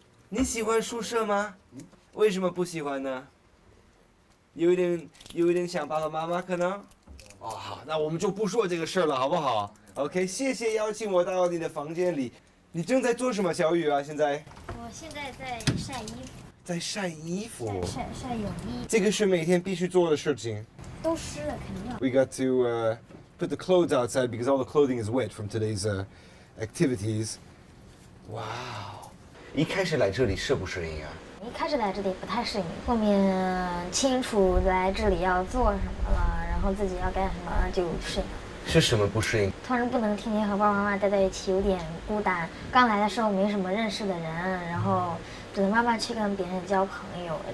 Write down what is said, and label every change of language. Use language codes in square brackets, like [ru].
[zh] 你喜欢宿舍吗？为什么不喜欢呢？有一点想爸爸妈妈可能。哦，好，那我们就不说这个事了，好不好 ？OK， 谢谢邀请我到你的房间里。你正在做什么，小雨啊？现在？我现在在晒衣服。在晒衣服。在晒泳衣。这个是每天必须做的事情。都湿了，肯定要。 [en] We got to put the clothes outside because all the clothing is wet from today's activities. [zh] Wow， 一开始来这里适不适应啊？一开始来这里不太适应，后面清楚来这里要做什么了，然后自己要干什么就适应。是什么不适应？突然不能天天和爸爸妈妈待在一起，有点孤单。刚来的时候没什么认识的人，然后只能慢慢去跟别人交朋友。